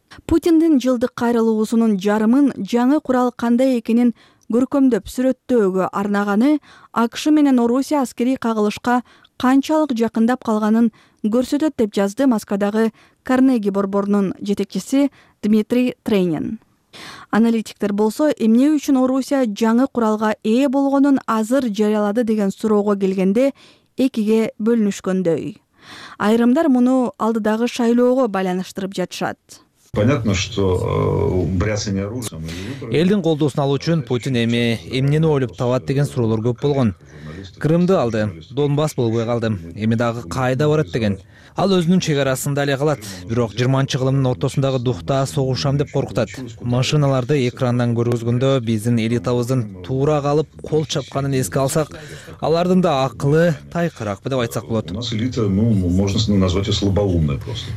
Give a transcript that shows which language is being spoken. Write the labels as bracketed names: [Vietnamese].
[Kyrgyz] Путиндин жылдык кайрылуусунун жарымын жаңы курал кандай экенин көркөмдөп сүрөттөөгө арнаганы АКШ менен Орусия аскерий кагылышка канчалык жакындап калганын көрсөтөт, деп жазды Москвадагы Карнеги борборунун жетекчиси Дмитрий Трейнин. Аналитиктер болсо, эмне үчүн Орусия жаңы куралга ээ болгонун азыр жарыялады деген суроого келгенде экиге бөлүнүшкөндөй. Айрымдар муну алдыдагы шайлоого байланыштырып жатышат. [Russian] Понятно, что бряцание оружием. [Kyrgyz] Элдин колдосун алуу үчүн Путин эми эмнени ойлоп табат деген суроолор көп болгон. Крымды алды, Донбасс болбой калды. Эми дагы кайда барат деген. Ал өзүнүн чек арасында эле калат, бирок 20-кылымдын ортосундагы духта согушам деп коркутат. Машиналарды экрандан көргөзгөндө биздин элитабыздын туура калып кол чапканын эске алсак, алардын да акылы тайкыракпы деп айтсак болот. [Russian] Можно назвать её слабоумной просто.